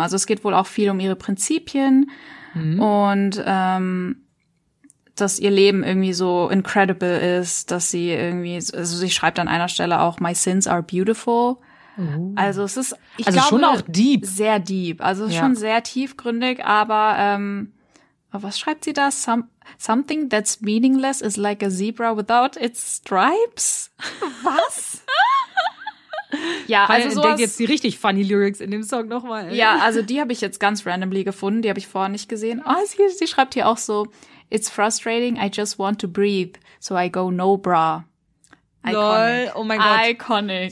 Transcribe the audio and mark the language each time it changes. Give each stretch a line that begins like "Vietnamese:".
German: Also es geht wohl auch viel um ihre Prinzipien und dass ihr Leben irgendwie so incredible ist, dass sie irgendwie, also sie schreibt an einer Stelle auch,
English: my sins are beautiful.
German: Also es ist, ich also glaube, schon auch deep. Sehr deep. Also es ist schon sehr tiefgründig, aber was schreibt sie da?
English: Something that's meaningless is like a zebra without its stripes?
German: Was? Ja, also sowas, denk jetzt die richtig funny Lyrics in dem Song nochmal. Ja, also die habe ich jetzt ganz randomly gefunden, die habe ich vorher nicht gesehen. Oh, sie schreibt hier auch so,
English: it's frustrating, I just want to breathe, so I go no bra.
German: Iconic. Lol, oh mein Gott. Iconic.